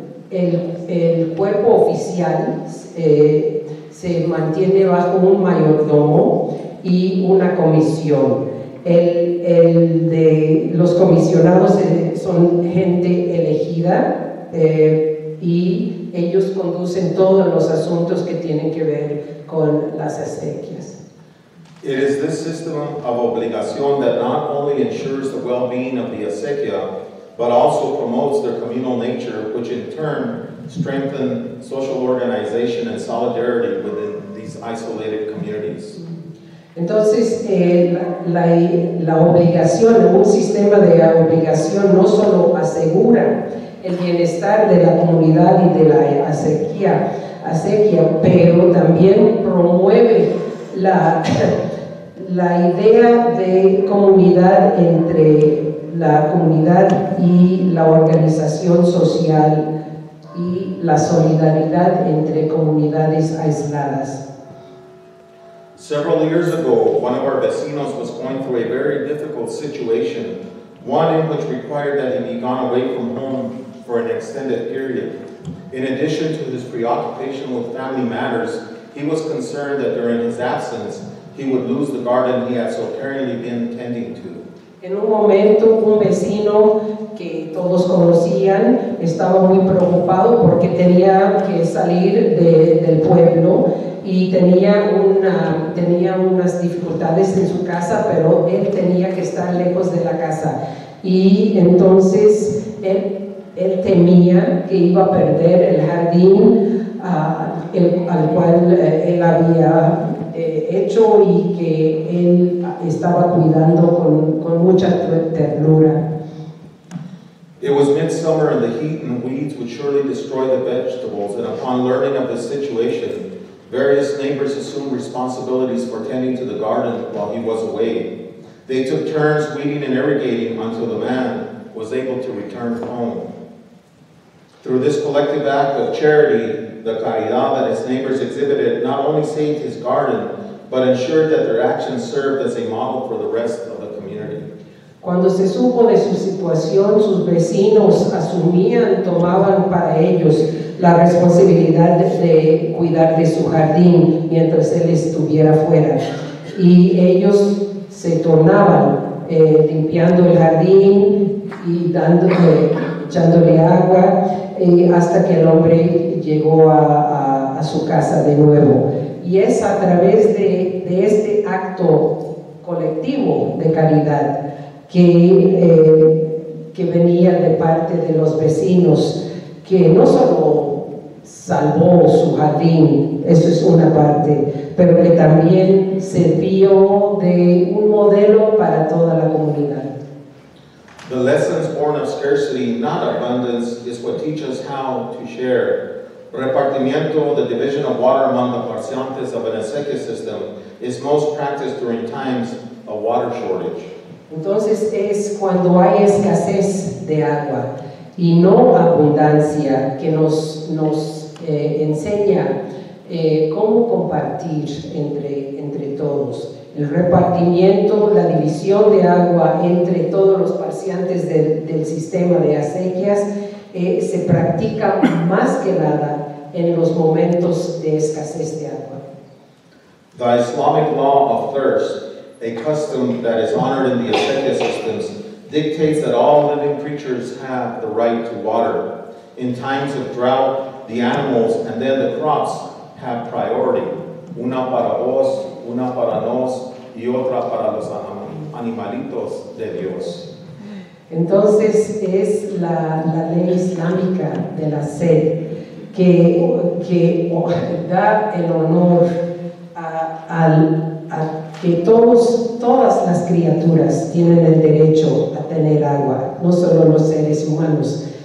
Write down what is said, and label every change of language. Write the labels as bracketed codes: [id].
[es] El cuerpo oficial se mantiene bajo un mayordomo y una comisión. El de los comisionados son gente elegida y ellos conducen todos los asuntos que tienen que ver con las acequias. [en] It is this system of obligación that not only ensures the well-being of the acequia, but also promotes their communal nature, which in turn strengthens social organization and solidarity within these isolated communities. [es] Entonces, la obligación, un sistema de obligación, no solo asegura el bienestar de la comunidad y de la acequia, pero también promueve la idea de comunidad entre la comunidad y la organización social y la solidaridad entre comunidades aisladas. [en] Several years ago, one of our vecinos was going through a very difficult situation, one in which required that he be gone away from home for an extended period. In addition to his preoccupation with family matters, he was concerned that during his absence, he would lose the garden he had so caringly been tending to. [es] En un momento, un vecino que todos conocían estaba muy preocupado porque tenía que salir del pueblo y tenía unas dificultades en su casa, pero él tenía que estar lejos de la casa. Y entonces él temía que iba a perder el jardín al cual él había hecho y que él estaba cuidando con mucha ternura. [en] It was midsummer and the heat and weeds would surely destroy the vegetables, and upon learning of the situation, various neighbors assumed responsibilities for tending to the garden while he was away. They took turns weeding and irrigating until the man was able to return home. Through this collective act of charity, the caridad that his neighbors exhibited not only saved his garden, but ensured that their actions served as a model for the rest of the community. [es] Cuando se supo de su situación, sus vecinos tomaban para ellos la responsabilidad de cuidar de su jardín mientras él estuviera fuera. Y ellos se tornaban limpiando el jardín y echándole agua hasta que el hombre llegó a su casa de nuevo. Y es a través de este acto colectivo de caridad que venía de parte de los vecinos, que no solo salvó su jardín, eso es una parte, pero que también sirvió de un modelo para toda la comunidad. [en] The lessons born of scarcity, not abundance, is what teach us how to share. Repartimiento, the division of water among the parciantes of an acequia system, is most practiced during times of water shortage. [es] Entonces es cuando hay escasez de agua y no abundancia que nos enseña cómo compartir entre todos. El repartimiento, la división de agua entre todos los parciantes del sistema de acequias se practica más que nada en los momentos de escasez de agua. [en] The Islamic law of thirst, a custom that is honored in the acequia systems, dictates that all living creatures have the right to water. In times of drought, the animals and then the crops have priority. [es] Una para vos, una para nos, y otra para los animalitos de Dios. Entonces es la ley islámica de la sed que da el honor a que todas las criaturas tienen el derecho a tener agua, no solo los seres humanos.